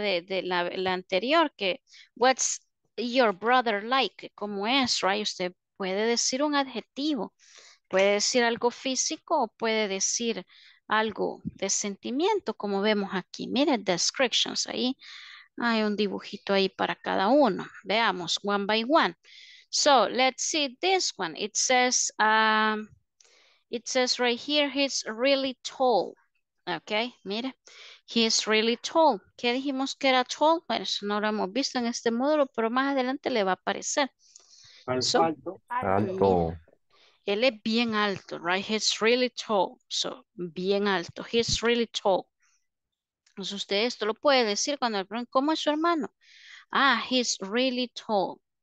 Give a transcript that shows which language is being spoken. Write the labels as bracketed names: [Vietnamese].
[Spanish] De la anterior, que [English] what's your brother like? [Spanish] ¿Cómo es, right? Usted puede decir un adjetivo, puede decir algo físico o puede decir algo de sentimiento, como vemos aquí. Miren, descriptions, ahí hay un dibujito ahí para cada uno. Veamos, [English] one by one. So, let's see this one. It says right here, he's really tall. Okay, mire, He is really tall. [Spanish] ¿Qué dijimos que era [English] tall? [Spanish] Bueno, eso no lo hemos visto en este módulo, pero más adelante le va a aparecer. Alto. Él es bien alto, right? [English] He's really tall. [Spanish] So, bien alto. [English] He's really tall. [Spanish] Entonces, usted esto lo puede decir cuando le preguntan, ¿cómo es su hermano? Ah, [English] he's really tall.